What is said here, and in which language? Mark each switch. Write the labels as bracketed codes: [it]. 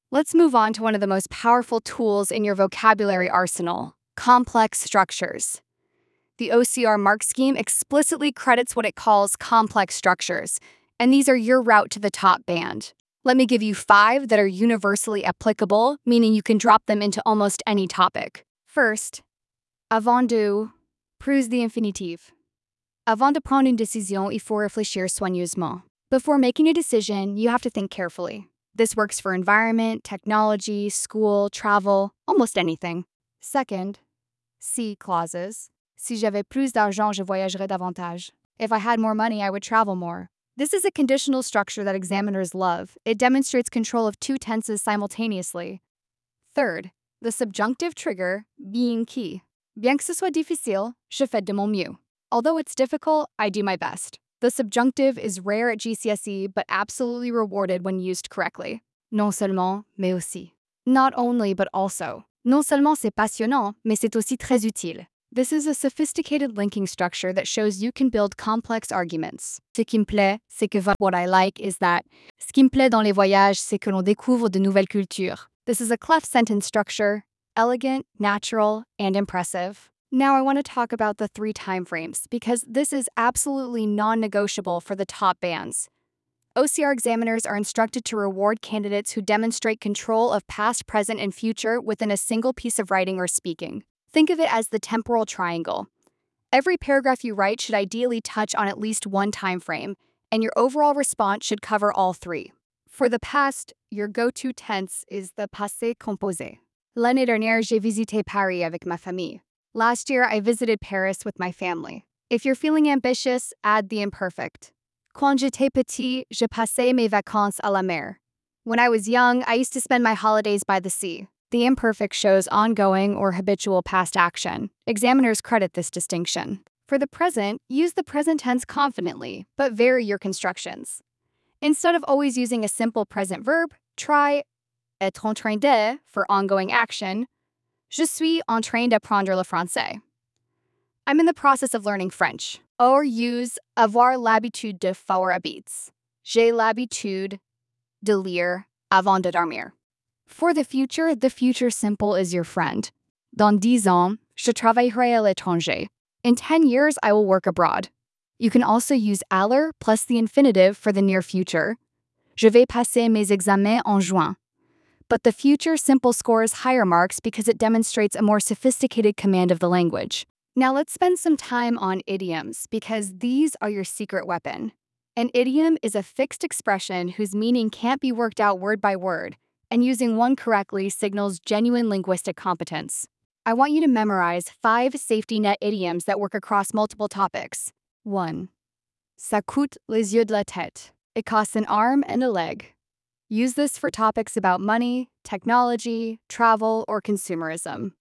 [en] Let's move on to one of the most powerful tools in your vocabulary arsenal, complex structures. The OCR mark scheme explicitly credits what it calls complex structures, and these are your route to the top band. Let me give you 5 that are universally applicable, meaning you can drop them into almost any topic. First, [fr] avant de, [en] prouve the infinitive. [fr] Avant de prendre une décision, il faut réfléchir soigneusement. [en] Before making a decision, you have to think carefully. This works for environment, technology, school, travel, almost anything. Second, si clauses. [fr] Si j'avais plus d'argent, je voyagerais davantage. [en] If I had more money, I would travel more. This is a conditional structure that examiners love. It demonstrates control of two tenses simultaneously. Third, the subjunctive trigger, [fr] bien qui. Bien que ce soit difficile, je fais de mon mieux. [en] Although it's difficult, I do my best. The subjunctive is rare at GCSE, but absolutely rewarded when used correctly. [fr] Non seulement, mais aussi. [en] Not only, but also. [fr] Non seulement c'est passionnant, mais c'est aussi très utile. [en] This is a sophisticated linking structure that shows you can build complex arguments. [fr] Ce qui me plaît, c'est que [en] what I like is that. [fr] Ce qui me plaît dans les voyages, c'est que l'on découvre de nouvelles cultures. [en] This is a cleft sentence structure, elegant, natural, and impressive. Now I want to talk about the 3 timeframes, because this is absolutely non-negotiable for the top bands. OCR examiners are instructed to reward candidates who demonstrate control of past, present, and future within a single piece of writing or speaking. Think of it as the temporal triangle. Every paragraph you write should ideally touch on at least 1 time frame, and your overall response should cover all 3. For the past, your go-to tense is the passé composé. [fr] L'année dernière, j'ai visité Paris avec ma famille. [en] Last year, I visited Paris with my family. If you're feeling ambitious, add the imperfect. [fr] Quand j'étais petit, je passais mes vacances à la mer. [en] When I was young, I used to spend my holidays by the sea. The imperfect shows ongoing or habitual past action. Examiners credit this distinction. For the present, use the present tense confidently, but vary your constructions. Instead of always using a simple present verb, try [fr] être en train de [en] for ongoing action. [fr] Je suis en train d'apprendre le français. [en] I'm in the process of learning French. Or use [fr] avoir l'habitude de faire [en] habits. [fr] J'ai l'habitude de lire avant de dormir. [en] For the future simple is your friend. [fr] Dans 10 ans, je travaillerai à l'étranger. [en] In 10 years, I will work abroad. You can also use aller plus the infinitive for the near future. [fr] Je vais passer mes examens en juin. [en] But the future simple scores higher marks because it demonstrates a more sophisticated command of the language. Now let's spend some time on idioms because these are your secret weapon. An idiom is a fixed expression whose meaning can't be worked out word by word, and using one correctly signals genuine linguistic competence. I want you to memorize 5 safety net idioms that work across multiple topics. 1. [fr] Ça coûte les yeux de la tête. [en] It costs an arm and a leg. Use this for topics about money, technology, travel, or consumerism.